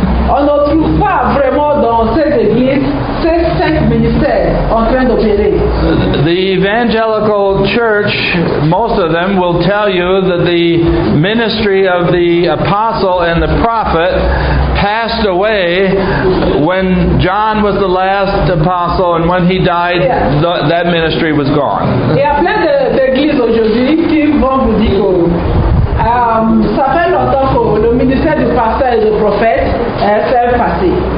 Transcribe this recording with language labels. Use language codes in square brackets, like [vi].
[fr] On ne trouve pas vraiment dans cette église ces cinq ministères en train d'opérer. [en] The evangelical church, most of them, will tell you that the ministry of the apostle and the prophet passed away when John was the last apostle, and when he died, that ministry was gone. [fr] Il y a plein d'églises aujourd'hui qui vont vous dire que ça fait longtemps que le ministère du pasteur et du prophète s'est passé.